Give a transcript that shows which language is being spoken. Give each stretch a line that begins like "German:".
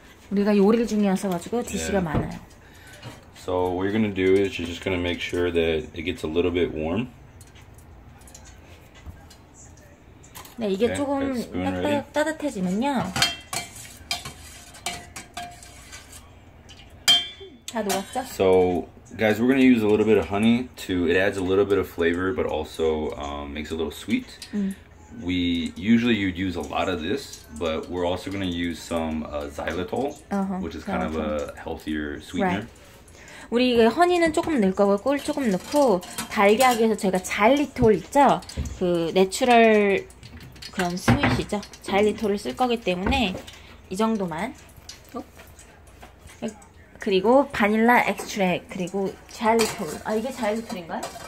Korean: 우리가 요리 중이어서 가지고 디시가 많아요.
English: So what you're gonna do is you're just gonna make sure that it gets a little bit warm.
Korean: 네, 이게 조금 따뜻해지면요. 다 녹았죠?
English: So guys, we're gonna use a little bit of honey to. It adds a little bit of flavor, but also makes it a little sweet. We usually you'd use a lot of this, but we're also gonna use some xylitol, which is kind of a healthier sweetener. Right.
Korean: 우리 이거 허니는 조금 넣을 거고 꿀 조금 넣고 달게 하기 위해서 저희가 자일리톨 있죠? 그 내추럴 그런 스윗이죠? 자일리톨을 쓸 거기 때문에 이 정도만. 그리고 바닐라 엑스트랙 그리고 자일리톨. 아, 이게 자일리톨인가요?